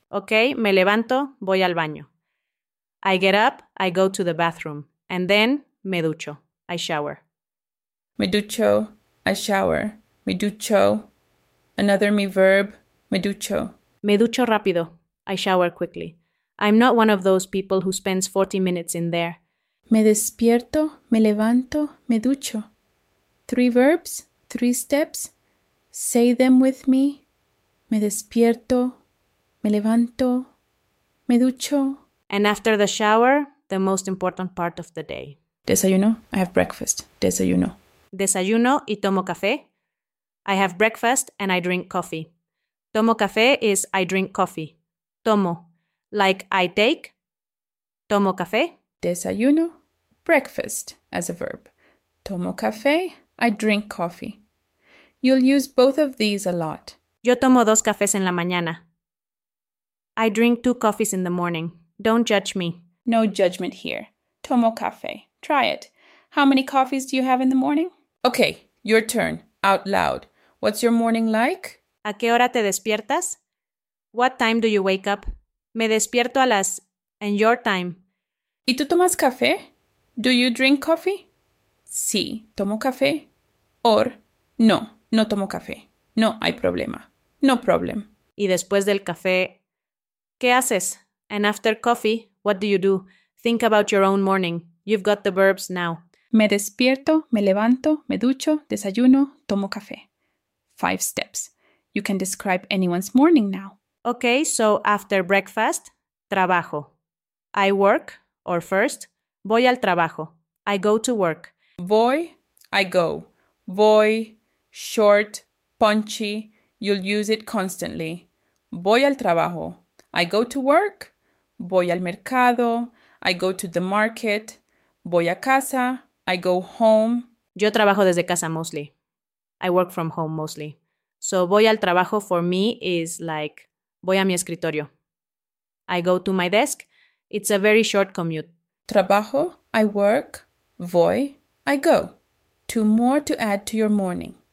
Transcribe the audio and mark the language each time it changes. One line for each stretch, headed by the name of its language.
Spanish: Okay, me levanto, voy al baño.
English: I get up, I go to the bathroom. And then,
Spanish: me ducho,
English: I shower.
Spanish: Me ducho,
English: I shower.
Spanish: Me ducho.
English: Another me verb,
Spanish: me ducho. Me ducho rápido,
English: I shower quickly. I'm not one of those people who spends 40 minutes in there.
Spanish: Me despierto, me levanto, me ducho.
English: Three verbs, three steps. Say them with me.
Spanish: Me despierto, me levanto, me ducho.
English: And after the shower, the most important part of the day. Desayuno, I have breakfast.
Spanish: Desayuno. Desayuno y tomo café.
English: I have breakfast and I drink coffee.
Spanish: Tomo café
English: is I drink coffee. Tomo, like I take. Tomo café. Desayuno. Breakfast as a verb. Tomo café. I drink coffee. You'll use both of these a lot.
Spanish: Yo tomo dos cafés en la mañana.
English: I drink 2 coffees in the morning. Don't judge me. No judgment here.
Spanish: Tomo café.
English: Try it. How many coffees do you have in the morning? Okay, your turn. Out loud. What's your morning like?
Spanish: ¿A qué hora te despiertas?
English: What time do you wake up?
Spanish: Me despierto a las...
English: And your time.
Spanish: ¿Y tú tomas café?
English: Do you drink coffee?
Spanish: Sí, tomo café. Or, no, no tomo café. No hay problema.
English: No problem.
Spanish: Y después del café, ¿qué haces?
English: And after coffee, what do you do? Think about your own morning. You've got the verbs now.
Spanish: Me despierto, me levanto, me ducho, desayuno, tomo café.
English: 5 steps. You can describe anyone's morning now. Okay, so after breakfast, trabajo. I work, or first,
Spanish: voy al trabajo.
English: I go to work. Voy, I go. Voy, short, punchy. You'll use it constantly.
Spanish: Voy al trabajo.
English: I go to work.
Spanish: Voy al mercado.
English: I go to the market.
Spanish: Voy a casa.
English: I go home.
Spanish: Yo trabajo desde casa
English: mostly. I work from home mostly.
Spanish: So voy al trabajo
English: for me is like
Spanish: voy a mi escritorio.
English: I go to my desk. It's a very short commute. Trabajo, I work, voy, I go. 2 more to add to your morning.